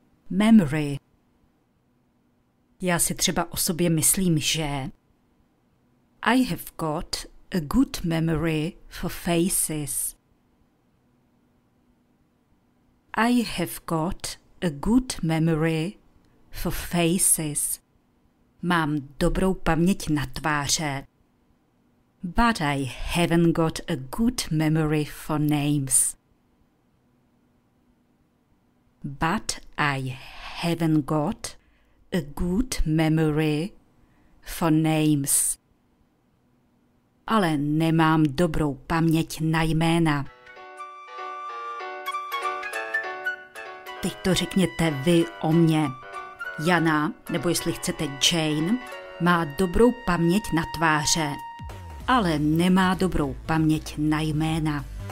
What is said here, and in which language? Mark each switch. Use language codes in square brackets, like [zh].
[en] Memory. [cs] Já si třeba o sobě myslím, že [en] I have got a good memory for faces. I have got a good memory for faces. [cs] Mám dobrou paměť na tváře. [en] But I haven't got a good memory for names. But I haven't got a good memory for names. [cs] Ale nemám dobrou paměť na jména. Teď to řekněte vy o mně. Jana, nebo jestli chcete Jane, má dobrou paměť na tváře, ale nemá dobrou paměť na jména.